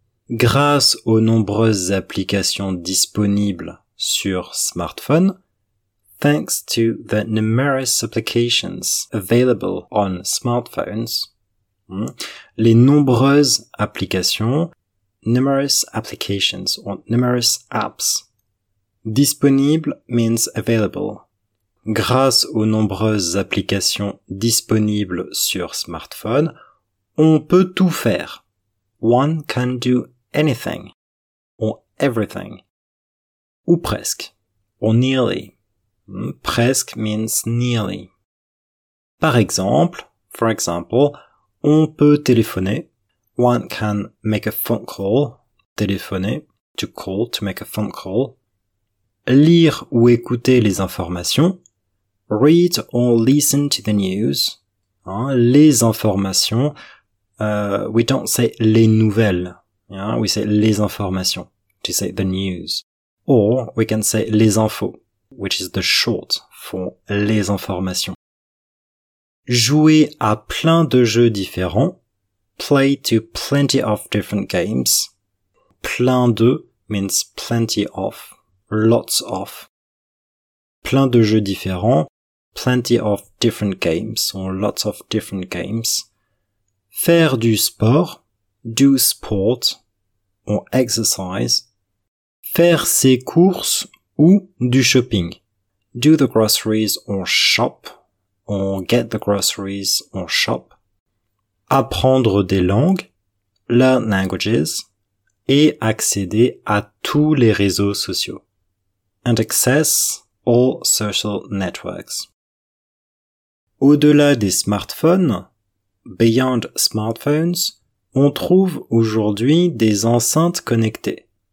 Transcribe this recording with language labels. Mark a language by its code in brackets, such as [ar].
[fr] Grâce aux nombreuses applications disponibles sur smartphone, [en] thanks to the numerous applications available on smartphones, [fr] les nombreuses applications, [en] numerous applications or numerous apps. Disponible means available. [fr] Grâce aux nombreuses applications disponibles sur smartphone, on peut tout faire. [en] One can do anything or everything. [fr] Ou presque, [en] or nearly. Presque means nearly. [fr] Par exemple, [en] for example, [fr] on peut téléphoner. [en] One can make a phone call. Téléphoner, to call, to make a phone call. [fr] Lire ou écouter les informations. [en] Read or listen to the news. [fr] Hein, les informations. [en] We don't say les nouvelles. Hein, we say les informations. To say the news. Or we can say les infos, which is the short for les informations. [fr] Jouer à plein de jeux différents, [en] play to plenty of different games. Plein de means plenty of, lots of. [fr] Plein de jeux différents, [en] plenty of different games, or lots of different games. [fr] Faire du sport, [en] do sport, or exercise. [fr] Faire ses courses ou du shopping, [en] do the groceries or shop. On get the groceries, on shop. [fr] Apprendre des langues, [en] learn languages, [fr] et accéder à tous les réseaux sociaux. [en] And access all social networks. [fr] Au-delà des smartphones, [en] beyond smartphones, [fr] on trouve aujourd'hui des enceintes connectées.